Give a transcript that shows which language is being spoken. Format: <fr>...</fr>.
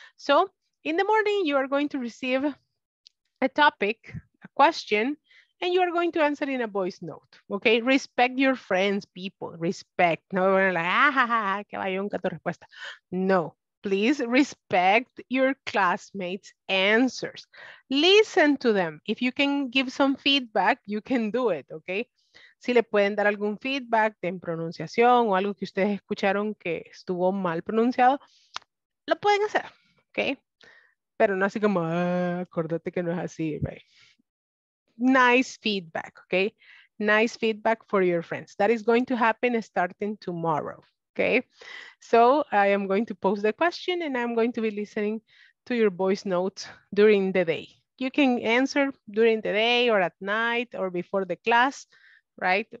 <en>So, in the morning, you are going to receive a topic, a question, and you are going to answer in a voice note, okay? Respect your friends, people, respect.</en> <es>No, que vaya un gato respuesta.</es> <en>No, please respect your classmates' answers. Listen to them. If you can give some feedback, you can do it, okay?</en> <es>Si le pueden dar algún feedback en pronunciación o algo que ustedes escucharon que estuvo mal pronunciado, lo pueden hacer, okay? Pero no así como, ah, acuérdate que no es así, right?</es> <en>Nice feedback, okay? Nice feedback for your friends. That is going to happen starting tomorrow, okay? So I am going to post the question and I'm going to be listening to your voice notes during the day. You can answer during the day or at night or before the class, right?</en>